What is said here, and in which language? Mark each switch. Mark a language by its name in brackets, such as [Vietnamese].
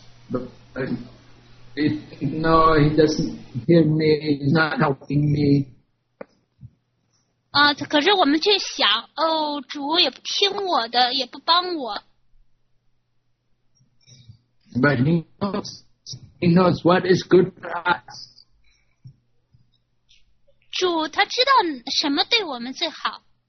[English] No, he doesn't hear me. He's not helping me. [Chinese] 可是我们却想，哦，主也不听我的，也不帮我。 [English] But he knows what is good for us. [Chinese] 主他知道什么对我们最好。